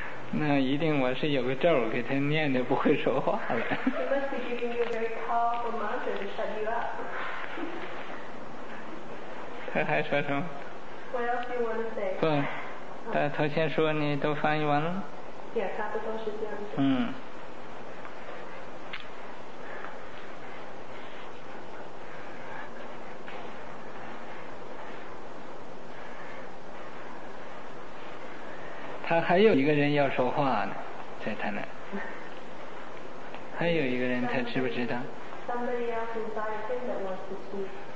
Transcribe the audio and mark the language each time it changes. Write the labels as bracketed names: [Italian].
[Chinese] 那一定我是有个咒给他念的，不会说话了。 [English] He must be giving you a very powerful mantra to shut you up. [Chinese] 他还说什么？ [English] What else do you want to say? [Chinese] 不，他头先说你都翻译完了。也差不多是这样子。嗯。他还有一个人要说话呢，在他那。还有一个人，他知不知道？ [English] Somebody else inside him that wants to speak.